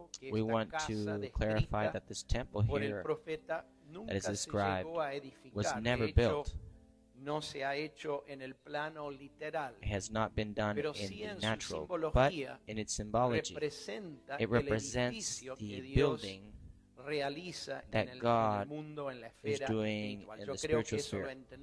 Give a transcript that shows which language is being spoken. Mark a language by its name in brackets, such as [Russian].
[English] We want to clarify that this temple here that is described was never built. [Spanish] No se ha hecho en el plano literal. [English] It has not been done in the natural, but in its symbology, it represents the building that God is doing in the spiritual sphere.